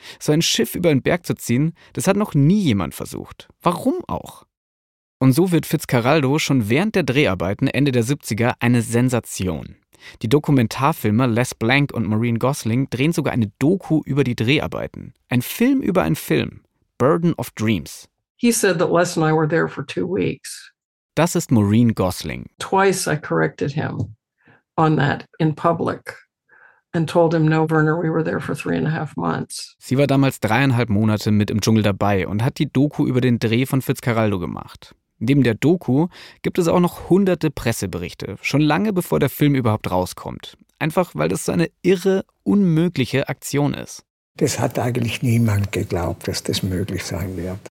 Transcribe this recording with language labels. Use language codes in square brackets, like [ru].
[de] So ein Schiff über einen Berg zu ziehen, das hat noch nie jemand versucht. Warum auch? Und so wird Fitzcarraldo schon während der Dreharbeiten Ende der 70er eine Sensation. Die Dokumentarfilmer Les Blank und Maureen Gosling drehen sogar eine Doku über die Dreharbeiten. Ein Film über einen Film. Burden of Dreams. [en] He said that Les and I were there for 2 weeks. [de] Das ist Maureen Gosling. [en] Twice I corrected him on that in public and told him, no, Werner, we were there for 3.5 months. [de] Sie war damals 3,5 Monate mit im Dschungel dabei und hat die Doku über den Dreh von Fitzcarraldo gemacht. Neben der Doku gibt es auch noch hunderte Presseberichte, schon lange bevor der Film überhaupt rauskommt. Einfach weil das so eine irre, unmögliche Aktion ist. Das hat eigentlich niemand geglaubt, dass das möglich sein wird.